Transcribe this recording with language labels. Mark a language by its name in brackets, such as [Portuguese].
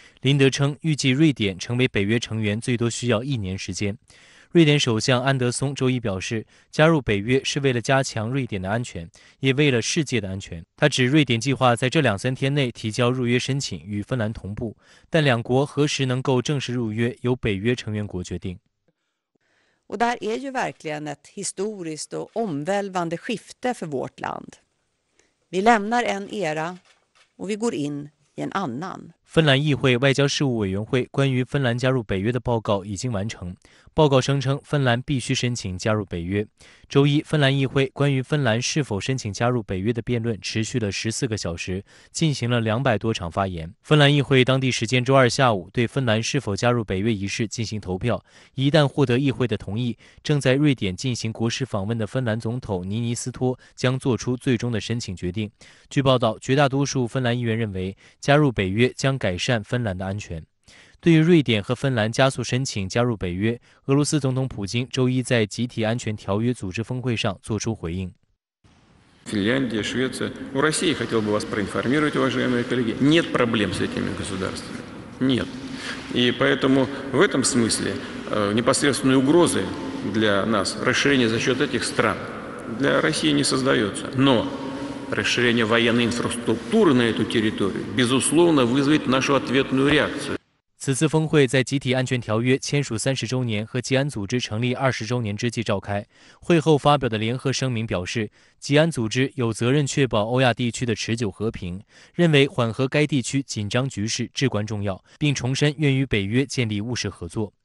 [Chinese] 林德称，预计瑞典成为北约成员最多需要一年时间。瑞典首相安德松周一表示，加入北约是为了加强瑞典的安全，也为了世界的安全。他指瑞典计划在这两三天内提交入约申请，与芬兰同步，但两国何时能够正式入约由北约成员国决定。 [Swedish] Och där är ju verkligen ett historiskt och omvälvande skifte för vårt land. Vi lämnar en era och vi går in i en annan. [Chinese] 芬兰议会外交事务委员会关于芬兰加入北约的报告已经完成。报告声称芬兰必须申请加入北约。周一，芬兰议会关于芬兰是否申请加入北约的辩论持续了14个小时，进行了200多场发言。芬兰议会当地时间周二下午对芬兰是否加入北约仪式进行投票。一旦获得议会的同意，正在瑞典进行国事访问的芬兰总统尼尼斯托将做出最终的申请决定。据报道，绝大多数芬兰议员认为加入北约将改善芬兰的安全。对于瑞典和芬兰加速申请加入北约，俄罗斯总统普京周一在集体安全条约组织峰会上作出回应。 [Russian] Финляндия, Швеция, у России хотел бы вас проинформировать, уважаемые коллеги, нет проблем с этими государствами, нет. И поэтому в этом смысле непосредственной угрозы для нас расширение за счет этих стран для России не создается. Но расширение военной инфраструктуры на эту территорию безусловно вызовет нашу ответную реакцию. [Chinese] 此次峰会在集体安全条约签署30周年和吉安组织成立20周年之际召开。会后发表的联合声明表示，吉安组织有责任确保欧亚地区的持久和平，认为缓和该地区紧张局势至关重要，并重申愿与北约建立务实合作。